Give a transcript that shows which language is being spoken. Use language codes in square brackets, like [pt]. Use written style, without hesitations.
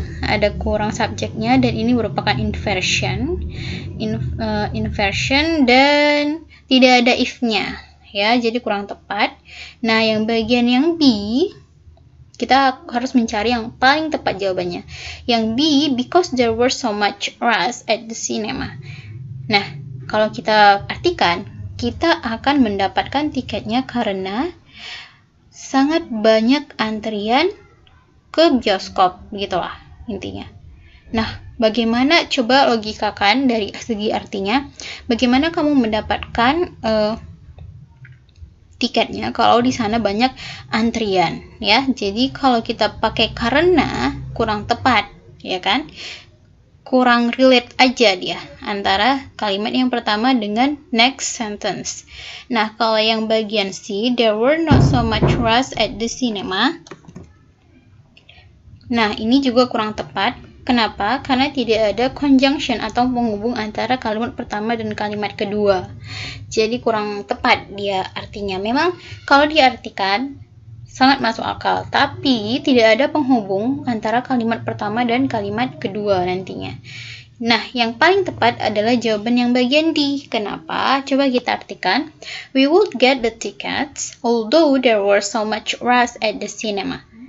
[id] Ada kurang subjeknya, dan ini merupakan inversion. Inversion, dan tidak ada if-nya, ya, jadi kurang tepat. Nah, yang bagian yang B, kita harus mencari yang paling tepat jawabannya. Yang B, [en] because there were so much rush at the cinema. [id] Nah, kalau kita artikan, kita akan mendapatkan tiketnya karena sangat banyak antrian ke bioskop, begitulah intinya. Nah, bagaimana, coba logikakan dari segi artinya, bagaimana kamu mendapatkan tiketnya kalau di sana banyak antrian, ya? Jadi kalau kita pakai karena, kurang tepat, ya kan? Kurang relate aja dia antara kalimat yang pertama dengan [en] next sentence. [id] Nah, kalau yang bagian C, [en] there were not so much rush at the cinema. [id] Nah, ini juga kurang tepat. Kenapa? Karena tidak ada conjunction atau penghubung antara kalimat pertama dan kalimat kedua. Jadi kurang tepat dia artinya. Memang kalau diartikan sangat masuk akal, tapi tidak ada penghubung antara kalimat pertama dan kalimat kedua nantinya. Nah, yang paling tepat adalah jawaban yang bagian D. Kenapa? Coba kita artikan. [en] We would get the tickets although there were so much rush at the cinema.